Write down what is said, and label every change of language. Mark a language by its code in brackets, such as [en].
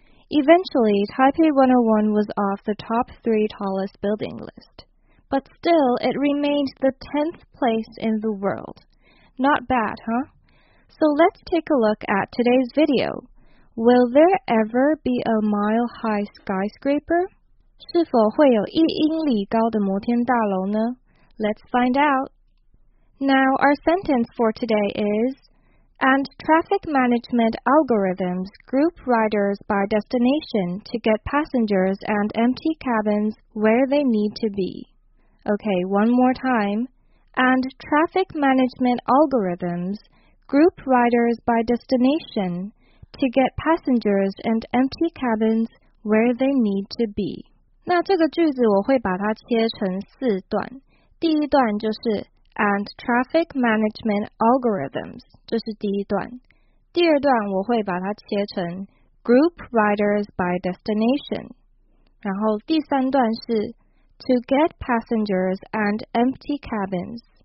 [en] Eventually, Taipei 101 was off the top three tallest building list. But still, it remained the 10th place in the world. Not bad, huh? So let's take a look at today's video. Will there ever be a mile-high skyscraper? [zh] 是否会有一英里高的摩天大楼呢? [en] Let's find out. Now, our sentence for today is,And traffic management algorithms group riders by destination to get passengers and empty cabins where they need to be. Okay, one more time. And traffic management algorithms group riders by destination to get passengers and empty cabins where they need to be. [zh] 那这个句子我会把它切成四段。第一段就是 [en] And traffic management algorithms, [zh] 这是第一段。第二段我会把它切成 [en] group riders by destination。 [zh] 然后第三段是 [en] to get passengers and empty cabins。